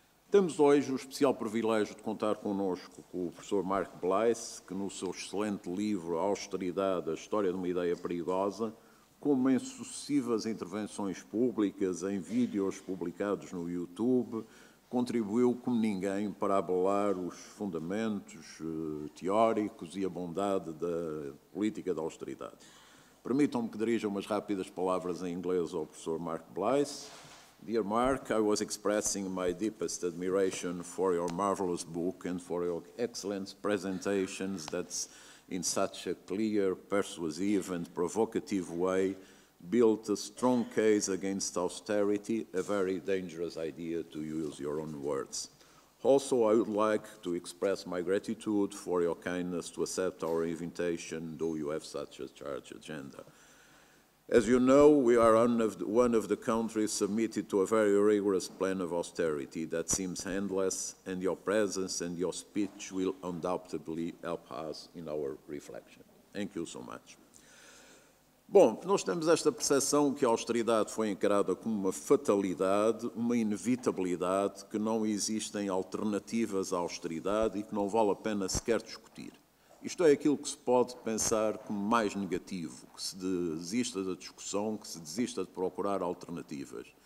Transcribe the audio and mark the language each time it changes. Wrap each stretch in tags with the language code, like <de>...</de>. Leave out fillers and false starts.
<pt>Temos hoje o especial privilégio de contar connosco com o professor Mark Bleis, que no seu excelente livro Austeridade, a História de uma Ideia Perigosa, como em sucessivas intervenções públicas, em vídeos publicados no YouTube, contribuiu como ninguém para abalar os fundamentos teóricos e a bondade da política de austeridade. Permitam-me que dirija umas rápidas palavras em inglês ao professor Mark Bleis.</pt> <en>Dear Mark, I was expressing my deepest admiration for your marvelous book and for your excellent presentations that, in such a clear, persuasive and provocative way, built a strong case against austerity, a very dangerous idea, to use your own words. Also, I would like to express my gratitude for your kindness to accept our invitation, though you have such a charged agenda. As you know, we are one of the countries submitted to a very rigorous plan of austerity that seems endless, and your presence and your speech will undoubtedly help us in our reflection. Thank you so much.</en> <pt>Bom, nós temos esta percepção que a austeridade foi encarada como uma fatalidade, uma inevitabilidade, que não existem alternativas à austeridade e que não vale a pena sequer discutir. Isto é aquilo que se pode pensar como mais negativo, que se desista da discussão, que se desista de procurar alternativas.</pt>